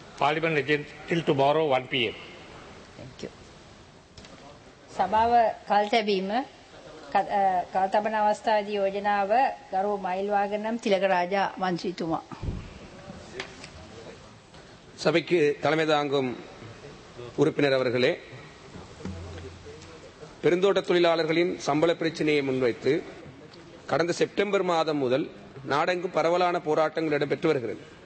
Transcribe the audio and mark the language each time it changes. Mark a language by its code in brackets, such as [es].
[si] පාර්ලිමේන්තු එකෙන් [en] till tomorrow 1 p.m. Thank you. [si] සභාව කල් තැබීම කල් තබන අවස්ථාවේදී යෝජනාව ගරු මයිල්වාගනම් තිලකරාජා මන්ත්‍රීතුමා. [ta] சபைக்கு தலைமை தாங்கும் உறுப்பினர் அவர்களே, பெருந்தோட்ட தொழிலாளர்களின் சம்பள பிரச்சினையை முன்வைத்து கடந்த செப்டம்பர் மாதம் முதல் நாடெங்கும் பரவலான போராட்டங்கள் இடம்பெற்று வருகிறது.